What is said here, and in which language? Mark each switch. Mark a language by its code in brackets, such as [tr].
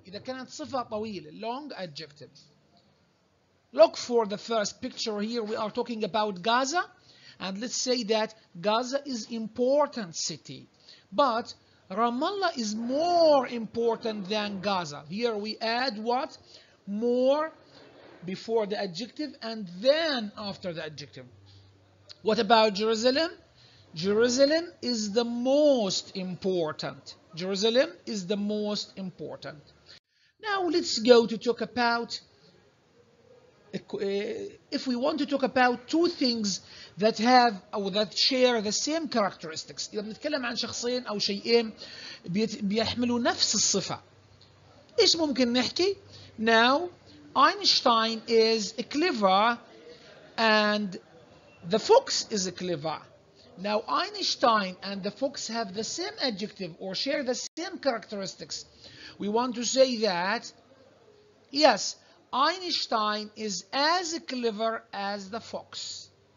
[ar] إذا كانت صفة طويلة, [en] long adjective. Look for the first picture here. We are talking about Gaza. And let's say that Gaza is an important city. But Ramallah is more important than Gaza. Here we add what? More before the adjective and then after the adjective. What about Jerusalem? Jerusalem is the most important. Jerusalem is the most important. Now let's go to talk about, if we want to talk about two things that have or that share the same characteristics. [ar] إذا بنتكلم عن شخصين أو شيئين بيحملوا نفس الصفة, إيش ممكن نحكي؟ [en] Now, Einstein is clever and the fox is clever. Now, Einstein and the fox have the same adjective or share the same characteristics. We want to say that, yes, Einstein is as clever as the fox.